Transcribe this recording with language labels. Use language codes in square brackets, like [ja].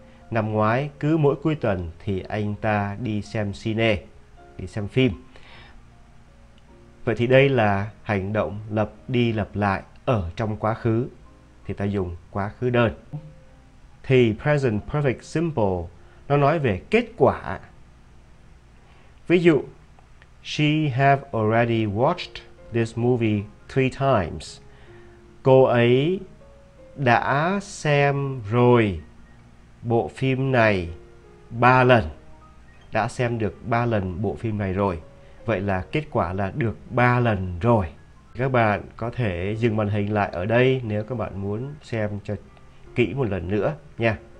[vi] Năm ngoái cứ mỗi cuối tuần thì anh ta đi xem cine, đi xem phim. Vậy thì đây là hành động lặp đi lặp lại ở trong quá khứ, thì ta dùng quá khứ đơn. Thì present perfect simple nó nói về kết quả. Ví dụ, [en] she have already watched this movie 3 times. [vi] Cô ấy đã xem rồi bộ phim này 3 lần. Đã xem được 3 lần bộ phim này rồi. Vậy là kết quả là được 3 lần rồi. Các bạn có thể dừng màn hình lại ở đây nếu các bạn muốn xem cho kỹ một lần nữa nha.